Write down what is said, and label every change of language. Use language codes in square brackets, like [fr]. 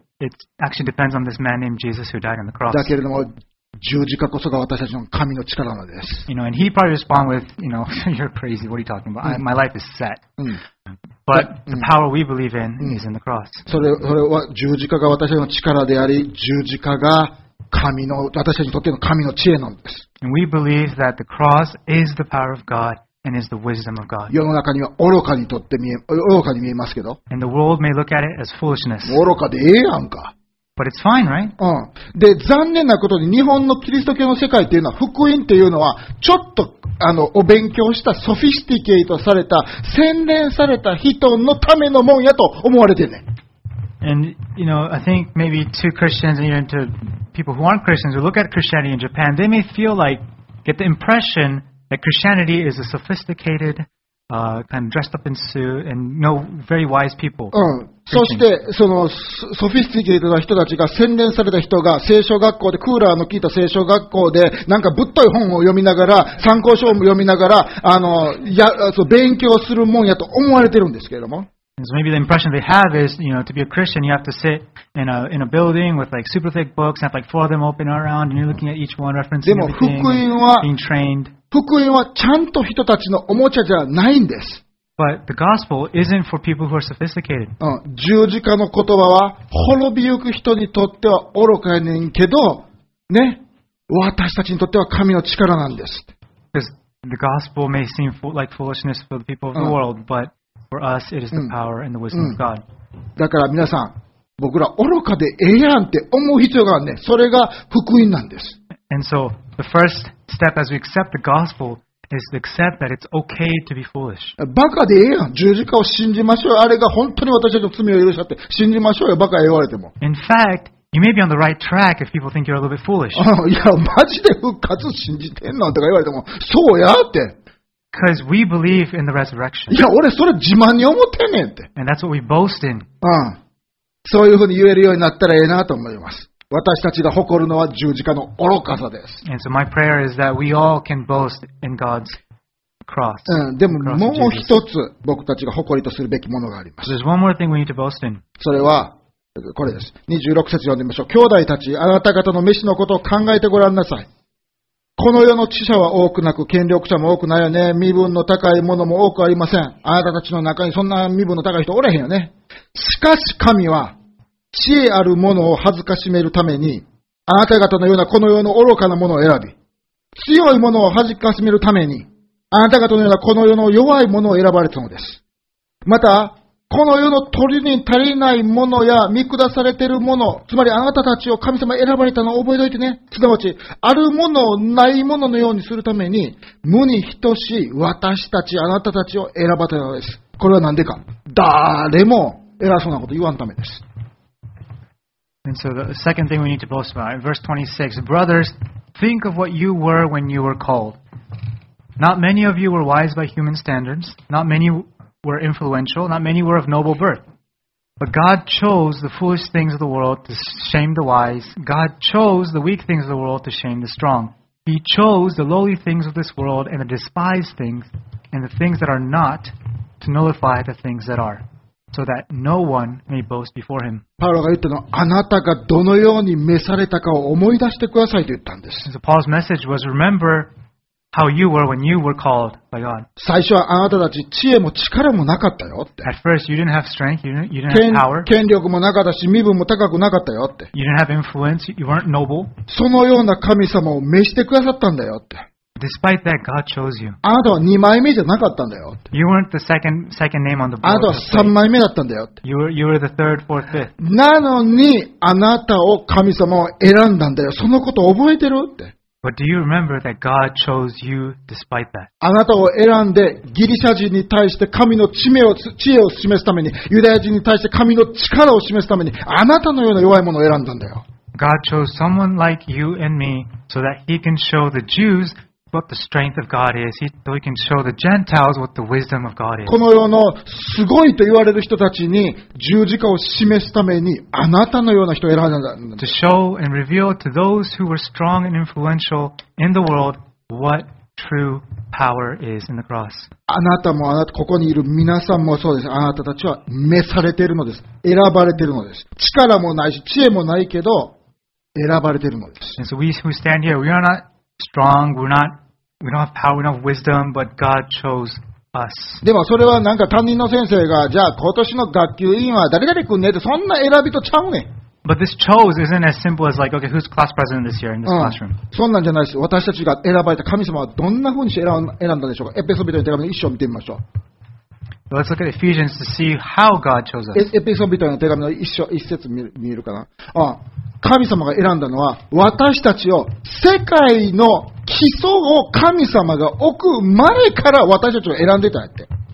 [en] It actually depends on this man named Jesus who died on the cross. [ja] だけれども十字架こそが私たちの神の力なのです。 [en] You know, and he probably respond with, you know, you're crazy. What are you talking about? My life is set. But the power we believe in is in the cross. [ja] それは十字架が私たちの力であり、十字架が神の私たちにとっての神の知恵なんです。 [en] And we believe that the cross is the power of God. And is the wisdom of God. [ja] 世の中には愚かに見えますけど。 [en] And the world may look at it as foolishness. [ja] 愚かでええやんか。 [en] But it's fine, right? うん。 [ja] で、残念なことに日本のキリスト教の世界っていうのは、福音っていうのは、ちょっとお勉強したソフィスティケートされた、洗練された人のためのもんやと思われてね。 [en] And, you know, I think maybe two Christians and even two people who aren't Christians who look at Christianity in Japan, they may feel like, get the impression,That Christianity is a sophisticated, kind of dressed up in suit and no very wise people. [ja] そしてそのソフィスティケートな人たちが洗練された人が聖書学校でクーラーの効いた聖書学校でなんかぶっとい本を読みながら参考書を読みながらそう勉強するもんやと思われてるんですけれども。 [en] So maybe the impression they have is, you know, to be a Christian, you have to sit in a building with like super thick books and have like four of them open around and you're looking at each one referencing everything. [ja] でも福音は [en] being trained. [ja] 福音はちゃんと人たちのおもちゃじゃないんです。 [en] But the gospel isn't for people who are sophisticated. [ja] 十字架の言葉は滅びゆく人にとっては愚かやねんけど、ね、私たちにとっては神の力なんです。 [en] Because the gospel may seem like foolishness for the people of the world, but for us it is the power and the wisdom of God. [ja] だから皆さん、僕ら愚かでええやんって思う必要があるね。それが福音なんです。 [en] And so the first step as we accept the gospel is to accept that it's okay to be foolish. [ja] バカでええやん。十字架を信じましょうよ。あれが本当に私たちの罪を許したって信じましょうよ。バカ言われても。 [en] In fact, you may be on the right track if people think you're a little bit foolish. [ja] いや、マジで復活信じてんのとか言われても、そうやって。 [en] Because we believe in the resurrection. [ja] いや、俺それ自慢に思ってんねんって。 [en] And that's what we boast in. [ja] そういうふうに言えるようになったらええなと思います。私たちが誇るのは十字架の愚かさです。 [en] And so my prayer is that we all can boast in God's cross. [ja] でももう一つ僕たちが誇りとするべきものがあります。 [en] There's one more thing we need to boast in. [ja] それはこれです。26節読んでみましょう。兄弟たち、あなた方の飯のことを考えてごらんなさい。この世の知者は多くなく、権力者も多くないよね。身分の高いものも多くありません。あなたたちの中にそんな身分の高い人おれへんよね。しかし神は、知恵あるものを恥ずかしめるために、あなた方のようなこの世の愚かなものを選び、強いものを恥ずかしめるために、あなた方のようなこの世の弱いものを選ばれたのです。またこの世の鳥に足りないものや見下されているもの、つまりあなたたちを神様選ばれたのを覚えておいてね。すなわちあるものをないもののようにするために、無に等しい私たち、あなたたちを選ばれたのです。これは何でか、誰も偉そうなこと言わんためです。 [en] And so the second thing we need to boast about, verse 26, brothers, think of what you were when you were called. Not many of you were wise by human standards, not manywere influential, not many were of noble birth. But God chose the foolish things of the world to shame the wise. God chose the weak things of the world to shame the strong. He chose the lowly things of this world and the despised things and the things that are not to nullify the things that are, so that no one may boast before him. [ja] パウロが言ったのは、あなたがどのように召されたかを思い出してくださいと言ったんです。 [en] So Paul's message was, rememberHow you were when you were called by God. [ja] 最初はあなたたち知恵も力もなかったよって。 [en] At first you didn't have strength, you didn't have power. [ja] 権力もなかったし身分も高くなかったよって。 [en] You didn't have influence, you weren't noble. [ja] そのような神様を召してくださったんだよって。 [en] Despite that, God chose you. [ja] あなたは二枚目じゃなかったんだよって。 [en] You weren't the second name on the board. [ja] あなたは三枚目だったんだよって。 [en] You were the third, fourth, fifth. [ja] なのにあなたを神様を選んだんだよ。そのこと覚えてるって。 [en] But do you remember that God chose you despite that? [ja] あなたを選んでギリシャ人に対して神の知恵を示すために、ユダヤ人に対して神の力を示すために、あなたのような弱いものを選んだんだよ。 [en] God chose someone like you and me so that he can show the Jews what the strength of God is. So he can show the Gentiles what the wisdom of God is. [ja] この世のすごいと言われる人たちに十字架を示すために、あなたのような人を選んだ。 [en] To show and reveal to those who were strong and influential in the world what true power is in the cross. [ja] あなたもあなた、ここにいる皆さんもそうです。あなたたちは召されているのです。選ばれているのです。力もないし知恵もないけど選ばれているのです。 [en] And so we who stand here, we are notStrong, we don't have power, we don't have wisdom, but God chose us. [ja] でもそれはなんか担任の先生が、じゃあ今年の学級委員は誰々君ねって、そんな選びとちゃうね。 [en] But this chose isn't as simple as like, okay, who's class president this year in this classroom?、 [ja] うん、そんなんじゃないです。私たちが選ばれた神様はどんな風にして選んだんでしょうか。エペソ人の手紙の一章見てみましょう。 [en] Let's look at Ephesians to see how God chose us. [ja] エペソ人の手紙の一章一節見えるかな。あ、神様が選んだのは私たちを、世界の基礎を神様が置く前から私たちを選んでたって。